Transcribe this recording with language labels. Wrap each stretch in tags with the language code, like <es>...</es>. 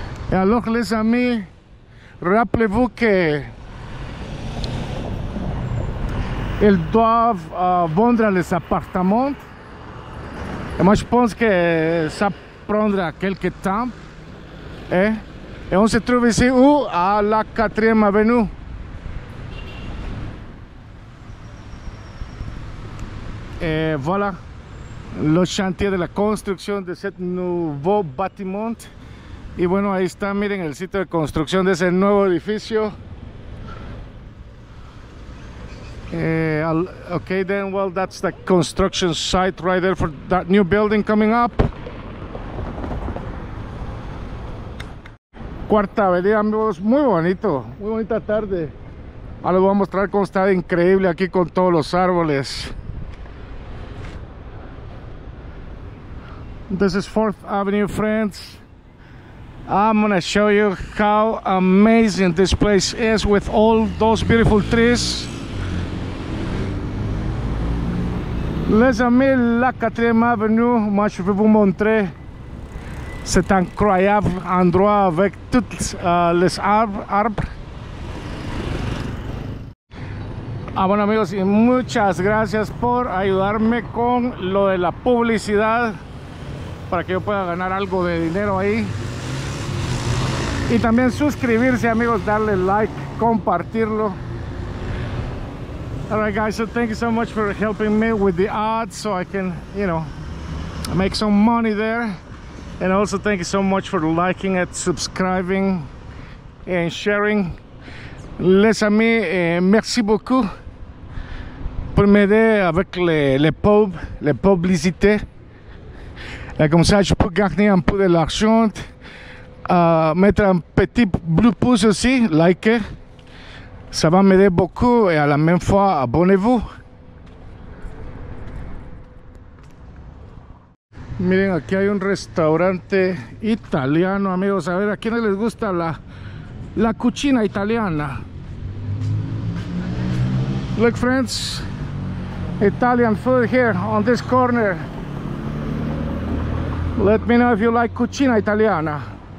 <fr>Alors les amis, rappelez-vous que ils doivent vendre les appartements. Et moi je pense que ça prendra quelques temps. Et on se trouve ici où? À la 4e avenue. Et voilà le chantier de la construction de ce nouveau bâtiment.</fr> <es>Y bueno, ahí está, miren, el sitio de construcción de ese nuevo edificio.</es> <en>Okay then, well, that's the construction site right there for that new building coming up.</en> <es>Cuarta avenida, amigos, muy bonito, muy bonita tarde. Ahora les voy a mostrar cómo está increíble aquí con todos los árboles.</es> <en>This is 4th Avenue, friends. I'm gonna show you how amazing this place is with all those beautiful trees.</en> <fr>Les amis, la 4e avenue, moi je vais vous montrer cet incroyable endroit avec toutes les arbres.</fr> <es>Ah, bueno, amigos, y muchas gracias por ayudarme con lo de la publicidad para que yo pueda ganar algo de dinero ahí. Y también suscribirse, amigos, darle like, compartirlo.</es> <en>All right, guys, so thank you so much for helping me with the ads so I can, you know, make some money there. And also thank you so much for liking it, subscribing, and sharing.</en> <fr>Les amis, merci beaucoup pour m'aider avec les publicité. Comme ça, je peux gagner un peu de l'argent. Mettre un petit bleu pouce aussi, like, ça va m'aider beaucoup, et à la même fois, abonnez-vous.</fr> <es>Miren, aquí hay un restaurante italiano, amigos, a ver, ¿a quiénes les gusta la cocina italiana?</es> <en>Look, friends, Italian food here on this corner. Let me know if you like</en> <es>cocina italiana.</es>